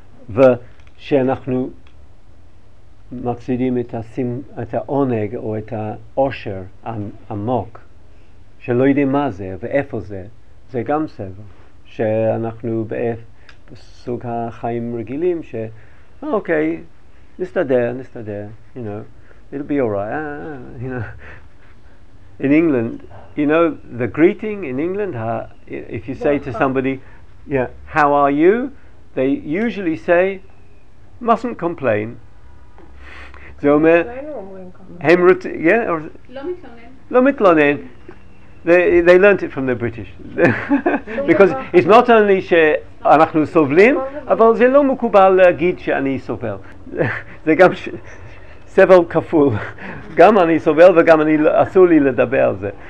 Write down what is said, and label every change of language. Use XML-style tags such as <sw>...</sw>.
<he>ושאנחנו מפסידים את העונג או את העושר עמוק שלא יודעים מה זה ואיפה זה, זה גם סבל שאנחנו בסוג החיים רגילים ש אוקיי, נסתדר,</he> <en>you know, it'll be alright, you know. In England, you know the greeting in England, if you say to somebody, yeah, how are you, they usually say mustn't complain.</en> <he>זה אומר, הם רוצים, כן? לא מתלונן. לא מתלונן.</he> <en>They learned it from the British. Because it's not only</en> <he>שאנחנו סובלים, אבל זה לא מקובל להגיד שאני סובל. זה גם סבל כפול. גם אני סובל וגם אני אסור לי לדבר על זה.</he>